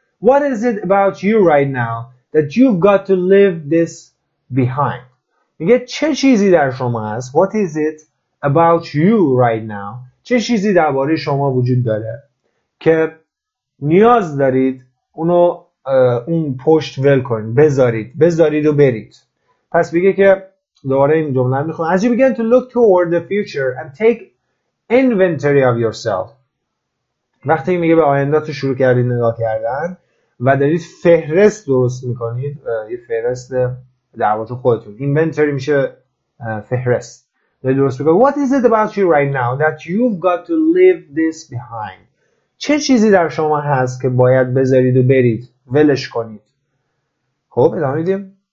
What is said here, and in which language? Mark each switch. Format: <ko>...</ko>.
<en>What is it about you right now that you've got to leave this behind?</en> <fa>میگه چه چیزی در شما هست؟</fa> <en>What is it about you right now؟</en> <fa>چه چیزی درباره شما وجود داره که نیاز دارید اونو اون پشت ول کنید، بذارید و برید. پس میگه که دوباره این جمله رو میخونم.</fa> <en>As you begin to look toward the future and take inventory of yourself.</en> <fa>وقتی میگه به آینده‌تو شروع کردید نگاه کردن و دارید فهرست درست میکنید، یه فهرست درباره خودتون، inventory میشه فهرست، دارید درست میکنید.</fa> <en>What is it about you right now that you've got to leave this behind؟</en> <fa>چه چیزی در شما هست که باید بذارید و برید، ولش کنید؟ خب ادامه میدیم.</fa>